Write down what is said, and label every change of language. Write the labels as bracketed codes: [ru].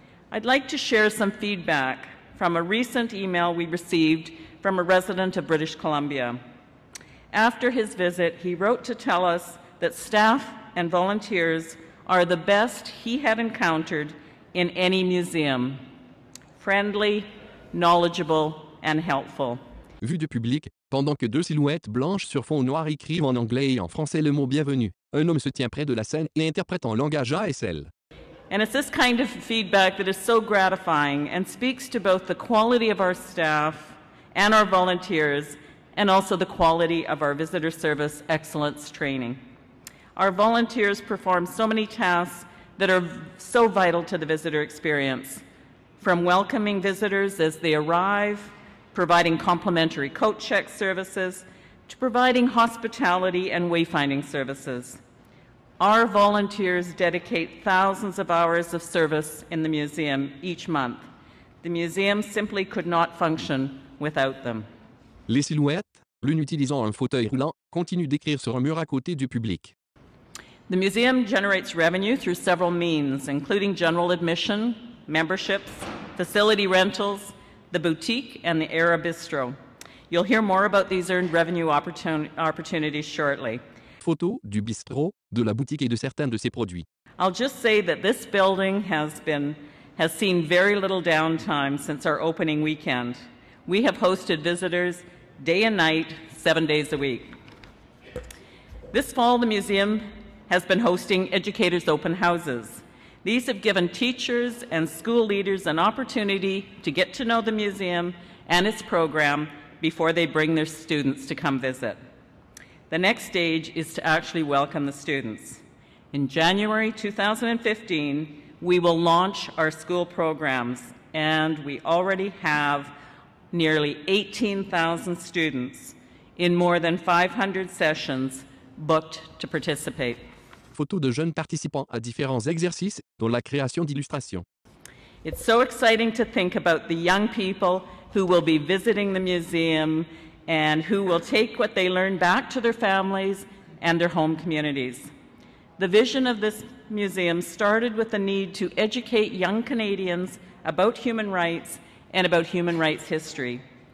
[en] I'd like to share some feedback from a recent email we received from a resident of British Columbia. After his visit, he wrote to tell us that staff and volunteers are the best he had encountered in any museum. Friendly, knowledgeable, and helpful. [fr] Vu du public, pendant que deux silhouettes blanches sur fond noir écrivent en anglais et en français le mot bienvenue, un homme se tient près de la scène et interprète en langage ASL. [en] And it's this kind of feedback that is so gratifying and speaks to both the quality of our staff and our volunteers and also the quality of our visitor service excellence training. Our volunteers perform so many tasks that are so vital to the visitor experience, from welcoming visitors as they arrive, providing complimentary coat check services, to providing hospitality and wayfinding services. Our volunteers dedicate thousands of hours of service in the museum each month. The museum simply could not function without them. [fr] Les silhouettes, l'une utilisant un fauteuil roulant, continuent d'écrire sur un mur à côté du public. [en] The museum generates revenue through several means, including general admission, memberships, facility rentals, the boutique, and the Era Bistro. You'll hear more about these earned revenue opportunities shortly. [fr] Photos du bistrot, de la boutique et de certains de ses produits. [en] I'll just say that this building has seen very little downtime since our opening weekend. We have hosted visitors day and night, 7 days a week. This fall, the museum has been hosting educators' open houses. These have given teachers and school leaders an opportunity to get to know the museum and its program before they bring their students to come visit. The next stage is to actually welcome the students. In January 2015, we will launch our school programs, and we already have nearly 18,000 students in more than 500 sessions booked to participate. [fr] Photos de jeunes participants à différents exercices, dont la création d'illustrations. [en] It's so exciting to think about the young people who will be visiting the museum and who will take what they learn back to their families and their home communities. The vision of this museum started with the need to educate young Canadians about human rights and about human rights history.